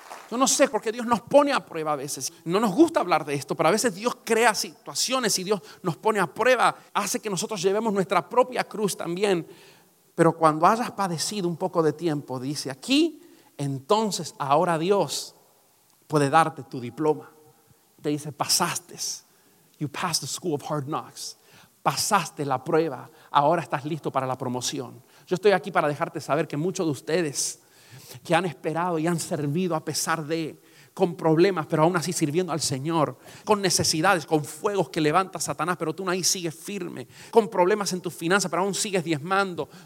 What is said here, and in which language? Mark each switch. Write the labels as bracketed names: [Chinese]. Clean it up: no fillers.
[Spanish] Yo no sé por qué Dios nos pone a prueba a veces. No nos gusta hablar de esto, pero a veces Dios crea situaciones y Dios nos pone a prueba. Hace que nosotros llevemos nuestra propia cruz también. Pero cuando hayas padecido un poco de tiempo, dice aquí, entonces ahora Dios puede darte tu diploma. Te dice: pasaste. [English] You passed the school of hard knocks. [Spanish] Pasaste la prueba. Ahora estás listo para la promoción. Yo estoy aquí para dejarte saber que muchos de ustedes que han esperado y han servido a pesar de, con problemas, pero aún así sirviendo al Señor, con necesidades, con fuegos que levanta Satanás, pero tú ahí sigues firme, con problemas en tus finanzas, pero aún sigues diezmando.